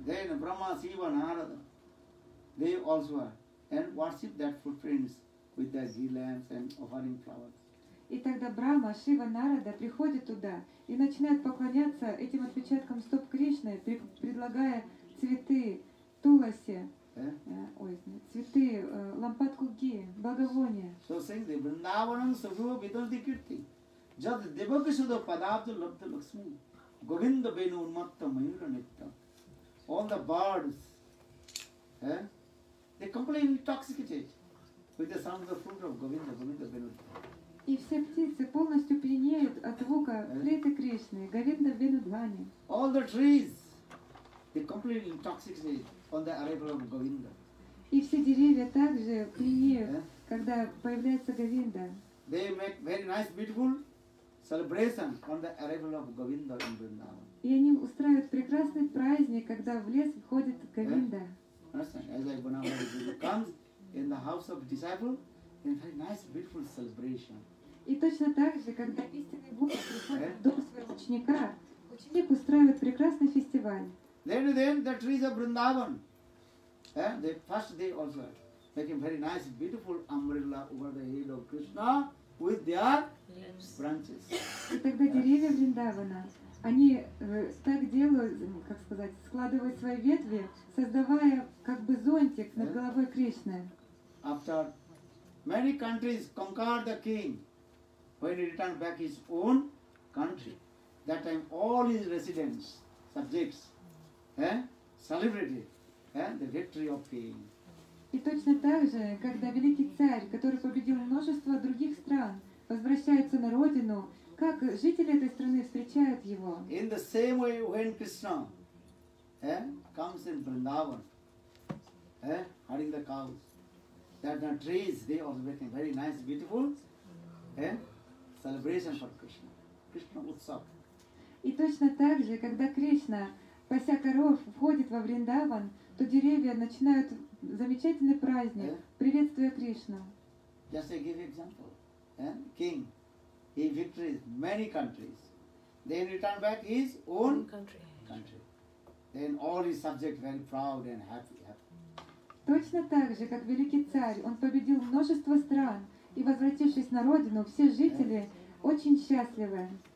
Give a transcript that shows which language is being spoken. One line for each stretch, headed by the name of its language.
English: Then Brahma, Shiva, Narada, they also are, and worship that footprints with their garlands and offering flowers.
Russian: И тогда Брама, Шива, Нарада приходят туда и начинают поклоняться этим отпечаткам стоп Кришны, предлагая цветы туласи. Цветы, лампадку ги, благовония.
English: So saying the
Sanskrit: Vrindavanam Sukhibho Vitanati Kirti. Jada Devakishuta Padabda Labda Lakshmi. Govinda Venu Unmatta Mayura Nittam.
English: All the birds, they completely intoxicated with the sound of the flute of Govinda, Govinda Venu.
Russian: И все птицы полностью пьянеют от звука флейты Кришны, Говинда Вену Двани.
English: All the trees, they completely intoxicated on the arrival of Govinda.
Russian: И все деревья также пьянеют, когда появляется Говинда.
English: They make very nice, beautiful celebration on the arrival of Govinda in Vrindavan.
Russian: И они устраивают прекрасный праздник, когда в лес входит Говинда.
English: Understand? As Govinda comes in the house of disciple, in very nice, beautiful celebration.
Russian: И точно так же, когда истинный Бог приходит в дом своего ученика, ученик устраивает прекрасный фестиваль.
English: Then the trees of Vrindavan, they first day also making very nice, beautiful umbrella over the head of Krishna with their branches.
Russian: И тогда деревья Вриндавана, они так делают, как сказать, складывают свои ветви, создавая как бы зонтик над головой Кришны.
English: After many countries conquered the king, when he returned back his own country, that time all his residents, subjects, celebrated the victory of king.
Russian: И точно так же, когда великий царь, который победил множество других стран, возвращается на родину, как жители этой страны встречают его?
English: In the same way, when Krishna comes in Vrindavan, herding the cows, that the trees, they are making very nice, beautiful celebration for Krishna. Krishna Utsav.
Russian: И точно так же, когда Кришна, пася коров, входит во Вриндаван, то деревья начинают замечательный праздник, приветствуя Кришну.
English: Just to give example, king, he victories many countries. Then return back his own country. Then all his subjects very proud and happy.
Russian: Точно так же, как великий царь, он победил множество стран, и возвратившись на родину, все жители очень счастливы.